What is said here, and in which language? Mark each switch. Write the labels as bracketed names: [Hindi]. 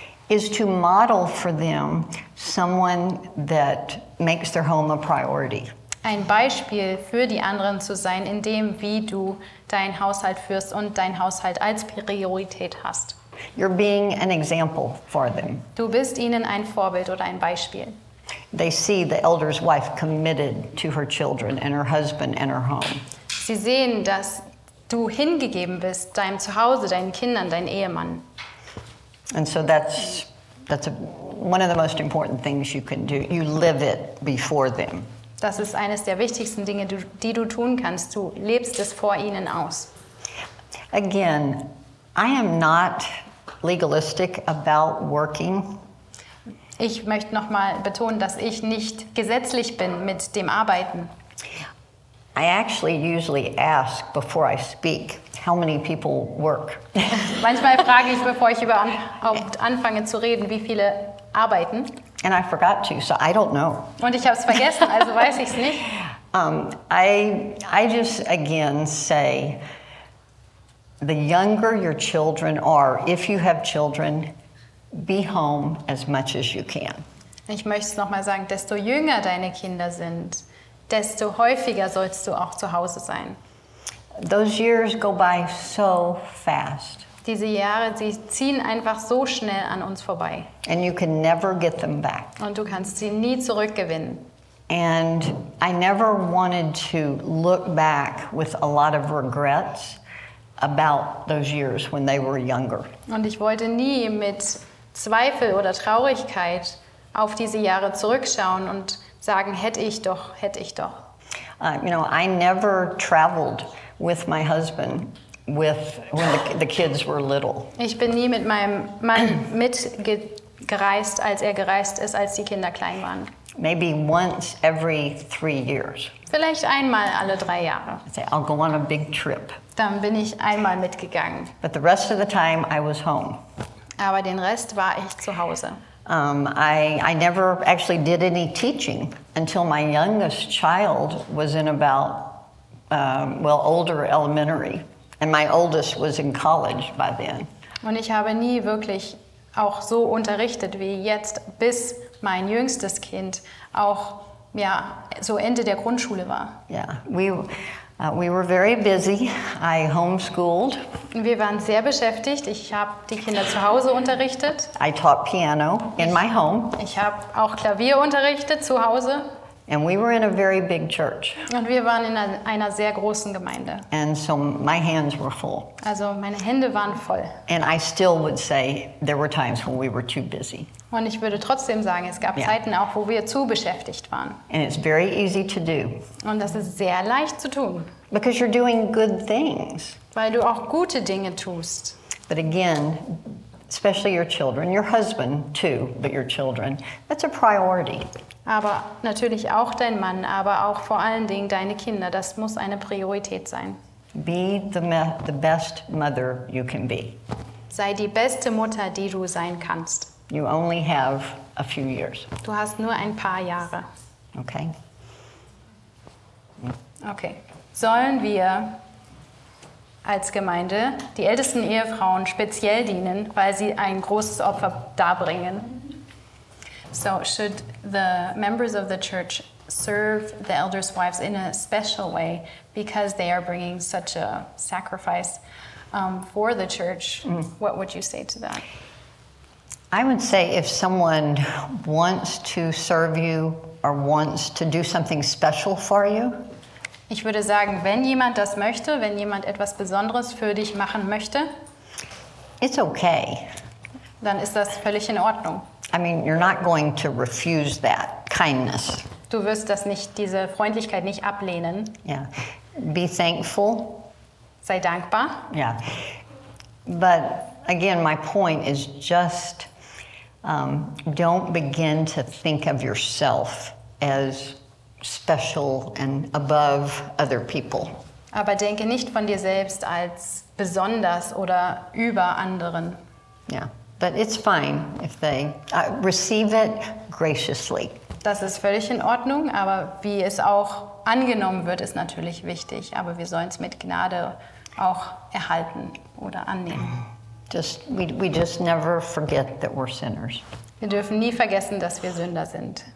[English] Is to model for them someone that makes their home a priority. [German] Ein Beispiel für die anderen zu sein, in dem wie du dein Haushalt führst und dein Haushalt als Priorität hast. [English] You're being an example for them. [German] Du bist ihnen ein Vorbild oder ein Beispiel. [English] They see the elder's wife committed to her children and her husband and her home. [German] Sie sehen, dass du hingegeben bist deinem Zuhause, deinen Kindern, deinem Ehemann. [English] And so that's one of the most important things you can do. You live it before them. [German] Das ist eines der wichtigsten Dinge, die du tun kannst. Du lebst es vor ihnen aus. [English] Again, I am not legalistic about working. [German] Ich möchte noch mal betonen, dass ich nicht gesetzlich bin mit dem Arbeiten. [English] I actually usually ask before I speak how many people work. [German] Manchmal frage ich, bevor ich überhaupt anfange zu reden, wie viele arbeiten. [English] And I forgot to, so I don't know. [German] Und ich habe es vergessen, also weiß ich es nicht. [English] I just again say, the younger your children are, if you have children, be home as much as you can. [German] Ich möchte es nochmal sagen, desto jünger deine Kinder sind, desto häufiger sollst du auch zu Hause sein. [English] Those years go by so fast. [German] Diese Jahre, sie ziehen einfach so schnell an uns vorbei. [English] And you can never get them back. [German] Und du kannst sie nie zurückgewinnen. [English] And I never wanted to look back with a lot of regrets about those years when they were younger. [German] Und ich wollte nie mit Zweifel oder Traurigkeit auf diese Jahre zurückschauen und sagen, hätte ich doch, hätte ich doch. [English] You know, I never traveled with my husband when the kids were little. [German] Ich bin nie mit meinem Mann mitgereist, als er gereist ist, als die Kinder klein waren. [English] Maybe once every 3 years. [German] Vielleicht einmal alle 3 Jahre. [English] I'll go on a big trip. [German] Dann bin ich einmal mitgegangen. [English] But the rest of the time I was home. [German] Aber den Rest war ich zu Hause. [English] I never actually did any teaching until my youngest child was in about, older elementary. And my oldest was in college by then. [German] Und ich habe nie wirklich auch so unterrichtet wie jetzt, bis mein jüngstes Kind auch, ja, so Ende der Grundschule war. [English] Yeah, we were very busy. I homeschooled. [German] Wir waren sehr beschäftigt. Ich habe die Kinder zu Hause unterrichtet. [English] I taught piano in my home. [German] Ich habe auch Klavier unterrichtet zu Hause. [English] And we were in a very big church. [German] Und wir waren in einer sehr großen Gemeinde. [English] And so my hands were full. [German] Also meine Hände waren voll. [English] And I still would say there were times when we were too busy. [German] Und ich würde trotzdem sagen, es gab Zeiten auch, wo wir zu beschäftigt waren. [English] And it's very easy to do. [German] Und das ist sehr leicht zu tun. [English] Because you're doing good things. [German] Weil du auch gute Dinge tust. [English] But again, especially your children, your husband too, but your children, that's a priority. [German] Aber natürlich auch dein Mann, aber auch vor allen Dingen deine Kinder, das muss eine Priorität sein. [English] Be the best mother you can be. [German] Sei die beste Mutter, die du sein kannst. [English] You only have a few years. [German] Du hast nur ein paar Jahre. [English] Okay. [German] Okay. Sollen wir als Gemeinde die ältesten Ehefrauen speziell dienen, weil sie ein großes Opfer darbringen? [English] So, should the members of the church serve the elders' wives in a special way because they are bringing such a sacrifice? for the church, what would you say to that? I would say if someone wants to serve you or wants to do something special for you. [German] Ich würde sagen, wenn jemand das möchte, wenn jemand etwas Besonderes für dich machen möchte. [English] It's okay. [German] Dann ist das völlig in Ordnung. [English] I mean, you're not going to refuse that kindness. [German] Du wirst das nicht, diese Freundlichkeit nicht ablehnen. [English] Yeah. Be thankful. [German] Sei dankbar. [English] Yeah. But again, my point is just don't begin to think of yourself as special and above other people. [German] Aber denke nicht von dir selbst als besonders oder über anderen. [English] Yeah. But it's fine if they receive it graciously. [German] Das ist völlig in Ordnung, aber wie es auch angenommen wird, ist natürlich wichtig. Aber wir sollen es mit Gnade auch erhalten oder annehmen. [English] Just, we just never forget that we're sinners. [German] Wir dürfen nie vergessen, dass wir Sünder sind.